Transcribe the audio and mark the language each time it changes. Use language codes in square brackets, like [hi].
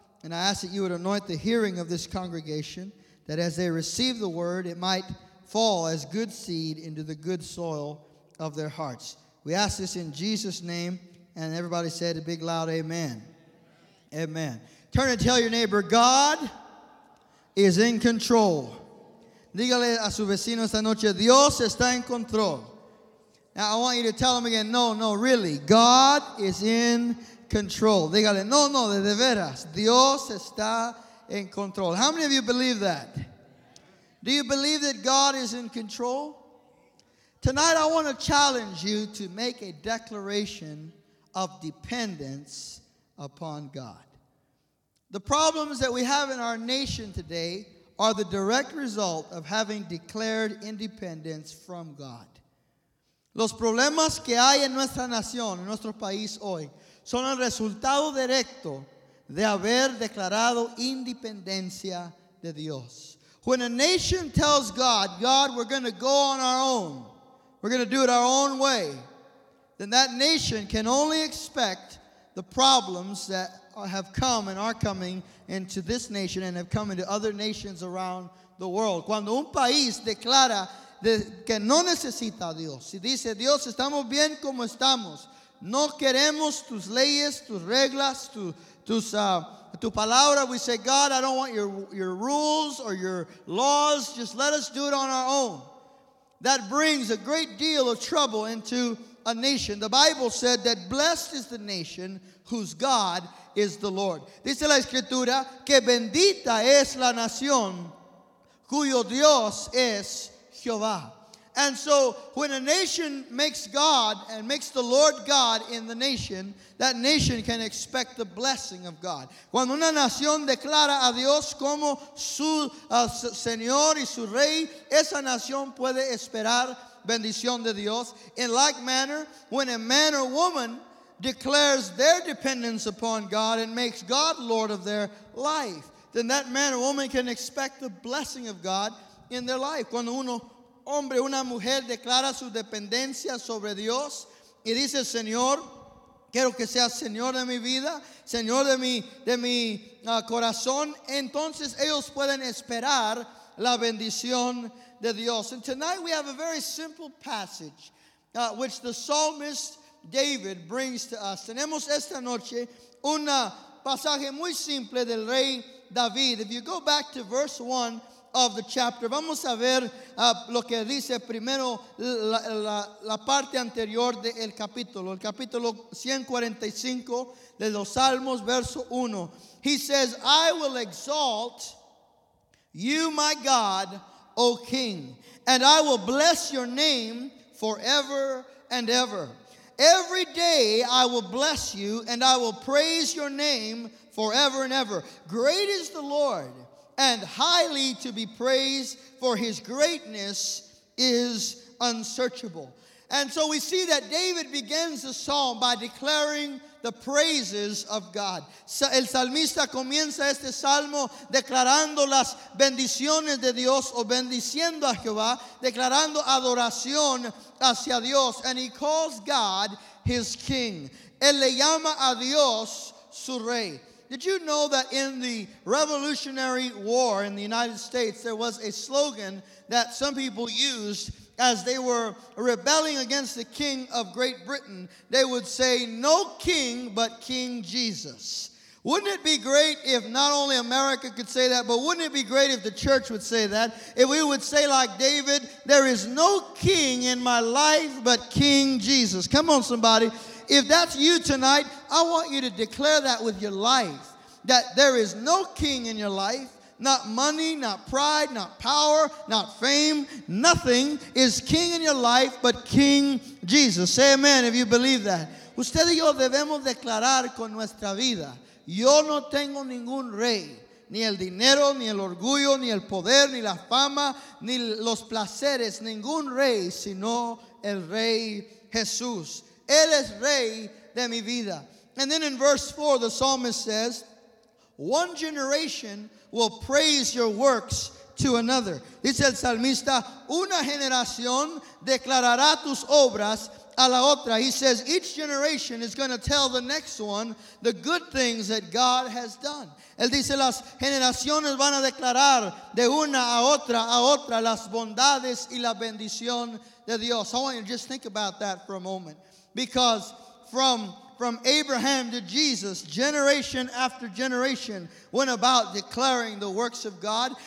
[en] And I ask that you would anoint the hearing of this congregation, that as they receive the word, it might fall as good seed into the good soil of their hearts. We ask this in Jesus' name. And everybody said a big loud amen. Amen. Turn and tell your neighbor, God is in control. [es] Dígale a su vecino esta noche, Dios está en control. [en] Now, I want you to tell them again, no, really, God is in control. [es] Dígale, no, de veras, Dios está en control. [en] How many of you believe that? Do you believe that God is in control? Tonight, I want to challenge you to make a declaration of dependence upon God. The problems that we have in our nation today are the direct result of having declared independence from God. [es] Los problemas que hay en nuestra nación, en nuestro país hoy, son el resultado directo de haber declarado independencia de Dios. [en] When a nation tells God, God, we're going to go on our own, we're going to do it our own way, then that nation can only expect the problems that have come and are coming into this nation and have come into other nations around the world. [es] Cuando un país declara que no necesita a Dios. Si dice, Dios, estamos bien como estamos. No queremos tus leyes, tus reglas, tu palabra. [en] We say, God, I don't want your rules or your laws. Just let us do it on our own. That brings a great deal of trouble into a nation. The Bible said that blessed is the nation whose God is the Lord. [es] Dice la Escritura que bendita es la nación cuyo Dios es Jehovah. [en] And so when a nation makes God and makes the Lord God in the nation, that nation can expect the blessing of God. [es] Cuando una nación declara a Dios como su Señor y su Rey, esa nación puede esperar bendición de Dios. [en] In like manner, when a man or woman declares their dependence upon God and makes God Lord of their life, then that man or woman can expect the blessing of God in their life. [es] Cuando uno hombre, una mujer declara su dependencia sobre Dios y dice, Señor, quiero que seas Señor de mi vida, Señor de mi corazón, entonces ellos pueden esperar la bendición de Dios. [en] And tonight we have a very simple passage which the psalmist David brings to us. [es] Tenemos esta noche un pasaje muy simple del rey David. [en] If you go back to verse 1 of the chapter, [es] vamos a ver lo que dice primero la parte anterior del capítulo, el capítulo 145 de los Salmos, verso 1. [en] He says, "I will exalt you, my God, O King, and I will bless your name forever and ever. Every day I will bless you and I will praise your name forever and ever. Great is the Lord and highly to be praised, for his greatness is unsearchable. And so we see that David begins the psalm by declaring the praises of God. [es] El salmista comienza este salmo declarando las bendiciones de Dios, o bendiciendo a Jehová, declarando adoración hacia Dios. [en] And he calls God his king. [es] Él le llama a Dios su rey. [en] Did you know that in the Revolutionary War in the United States, there was a slogan that some people used as they were rebelling against the king of Great Britain? They would say, "No king, but King Jesus." Wouldn't it be great if not only America could say that, but wouldn't it be great if the church would say that? If we would say like David, "There is no king in my life but King Jesus." Come on, somebody. If that's you tonight, I want you to declare that with your life, that there is no king in your life. Not money, not pride, not power, not fame. Nothing is king in your life but King Jesus. Say amen if you believe that. [es] Usted y yo debemos declarar con nuestra vida. Yo no tengo ningún rey. Ni el dinero, ni el orgullo, ni el poder, ni la fama, ni los placeres. Ningún rey, sino el rey Jesús. Él es rey de mi vida. [en] And then in verse 4, the psalmist says, "One generation will praise your works to another." [es] Dice el salmista, "Una generación declarará tus obras a la otra." [en] He says, each generation is going to tell the next one the good things that God has done. [es] Él dice, las generaciones van a declarar de una a otra las bondades y la bendición de Dios. [en] I want you to just think about that for a moment. Because from Abraham to Jesus, generation after generation went about declaring the works of God.